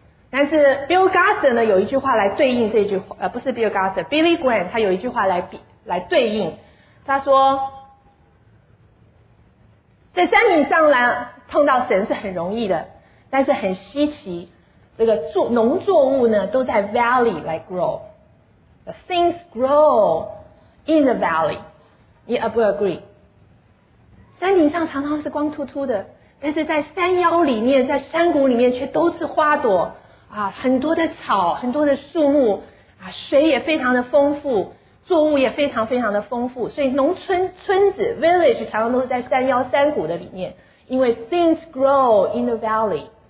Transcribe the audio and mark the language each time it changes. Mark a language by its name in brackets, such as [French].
[Chinese] 但是 Bill Gardner 呢有一句话来对应这句话，不是 Bill Gardner， Billy Graham 他有一句话来对应，他说在山顶上来碰到神是很容易的，但是很稀奇，这个农作物呢都在 valley 来 grow。 [English] Things grow in the valley. You will agree. [Chinese] 山顶上常常是光秃秃的，但是在山腰里面，在山谷里面却都是花朵啊，很多的草，很多的树木，啊，水也非常的丰富，作物也非常非常的丰富，所以农村村子 village 常常都是在山腰山谷的里面，因为 [English] things grow in the valley。